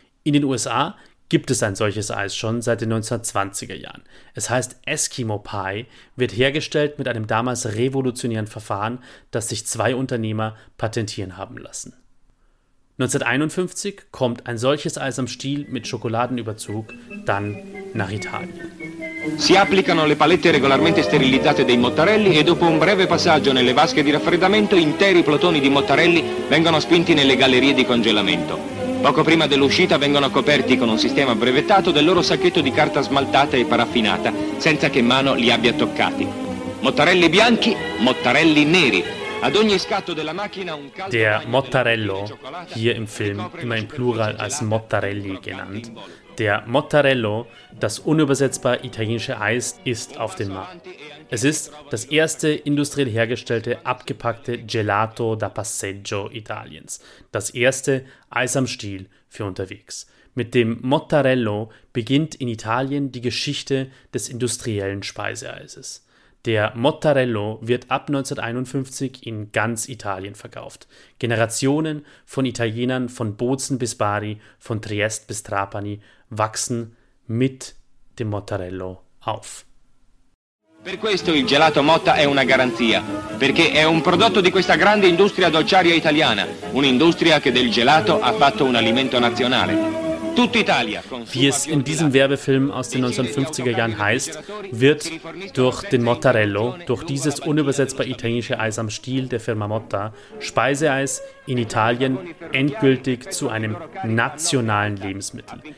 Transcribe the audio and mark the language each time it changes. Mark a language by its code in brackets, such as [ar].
[de] In den USA gibt es ein solches Eis schon seit den 1920er Jahren. Es heißt Eskimo Pie, wird hergestellt mit einem damals revolutionären Verfahren, das sich zwei Unternehmer patentieren haben lassen. 1951 kommt ein solches Eis am Stiel mit Schokoladenüberzug dann nach Italien. [it] Si applicano le palette regolarmente sterilizzate dei mottarelli e dopo un breve passaggio nelle vasche di raffreddamento interi plotoni di mottarelli vengono spinti nelle gallerie di congelamento. Poco prima dell'uscita vengono coperti con un sistema brevettato del loro sacchetto di carta smaltata e paraffinata, senza che mano li abbia toccati. Mottarelli bianchi, mottarelli neri. Ad ogni scatto della macchina un caldo. [de] Der Mottarello, hier im Film immer im Plural als Mottarelli genannt. Der Mottarello, das unübersetzbar italienische Eis, ist auf den Markt. Es ist das erste industriell hergestellte, abgepackte Gelato da Passeggio Italiens. Das erste Eis am Stiel für unterwegs. Mit dem Mottarello beginnt in Italien die Geschichte des industriellen Speiseeises. Der Mottarello wird ab 1951 in ganz Italien verkauft. Generationen von Italienern von Bozen bis Bari, von Triest bis Trapani wachsen mit dem Mottarello auf. [it] Per questo il gelato Motta è una garanzia, perché è un prodotto di questa grande industria dolciaria italiana, un'industria che del gelato ha fatto un alimento nazionale. [de] Wie es in diesem Werbefilm aus den 1950er Jahren heißt, wird durch den Mottarello, durch dieses unübersetzbar italienische Eis am Stiel der Firma Motta, Speiseeis in Italien endgültig zu einem nationalen Lebensmittel.